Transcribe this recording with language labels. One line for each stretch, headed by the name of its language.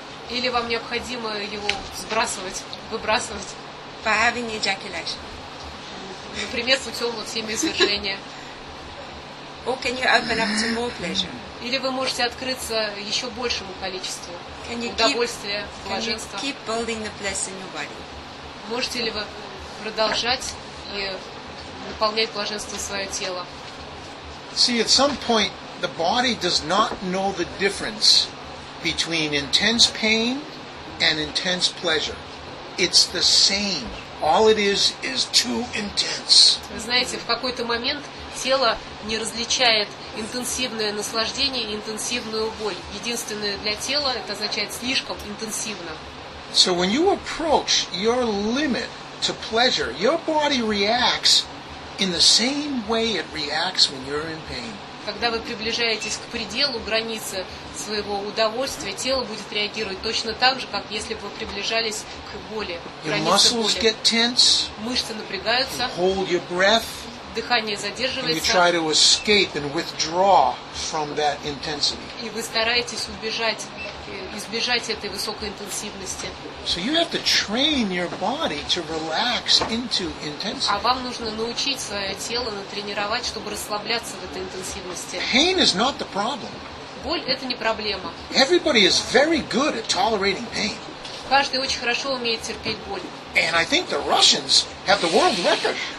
Russian: Или вам необходимо его сбрасывать, выбрасывать?
English: By having ejaculation.
Russian: Например, путем вот семяизвержения.
English: Or can you open up to more pleasure?
Russian: Или вы можете открыться еще большему количеству удовольствия, блаженства?
English: Can you keep building the bliss in your body?
Russian: Можете ли вы продолжать и наполнять блаженством свое тело?
English: See, at some point, the body does not know the difference between intense pain and intense pleasure. It's the same. All it is too intense.
Russian: Вы знаете, в какой-то момент тело не различает интенсивное наслаждение и интенсивную боль. Единственное для тела это означает слишком интенсивно.
English: So when you approach your limit to pleasure, your body reacts in the same way it reacts when you're in pain.
Russian: Когда вы приближаетесь к пределу границы своего удовольствия, тело будет реагировать точно так же, как если бы вы приближались к боли, границе боли.
English: Get tense,
Russian: мышцы напрягаются.
English: You hold your breath.
Russian: Дыхание задерживается.
English: And you try to escape and withdraw from that intensity.
Russian: И вы стараетесь избежать этой высокой интенсивности.
English: So you have to train your body to relax into intensity.
Russian: А вам нужно научить свое тело натренировать, чтобы расслабляться в этой интенсивности.
English: Pain is not the problem.
Russian: Боль это не проблема.
English: Everybody is very good at tolerating pain.
Russian: Каждый очень хорошо умеет терпеть боль.
English: And I think the Russians have the world record.